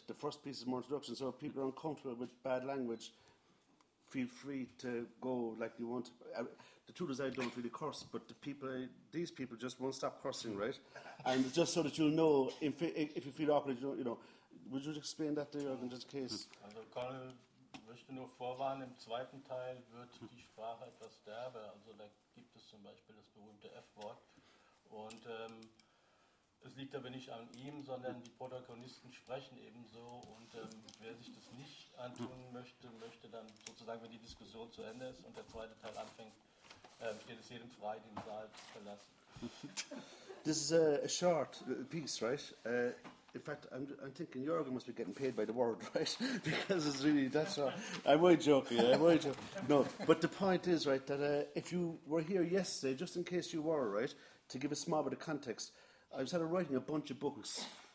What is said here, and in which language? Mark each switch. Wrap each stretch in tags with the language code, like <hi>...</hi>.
<en>The first piece is more introduction, so if people are uncomfortable with bad language, feel free to go like you want. The truth is I don't really curse, but these people just won't stop cursing, right? And just so that you'll know, if you feel awkward, you know, would you explain that to you, in just case?</en> <de>Also, Karl möchte nur vorwarnen, im zweiten Teil wird die Sprache etwas derbe. Also, da gibt es zum Beispiel das berühmte F-Wort. Und es liegt aber nicht an ihm, sondern die Protagonisten sprechen ebenso. Und wer sich das nicht antun möchte, möchte dann sozusagen, wenn die Diskussion zu Ende ist und der zweite Teil anfängt, steht es jedem frei, den Saal zu verlassen.</de> <en>This is a short piece, right? In fact, I'm thinking Jürgen must be getting paid by the word, right? Because it's really, that's all. I'm only joking. No, but the point is, right, that if you were here yesterday, just in case you were, right, to give a small bit of context, I was writing a bunch of books.</en>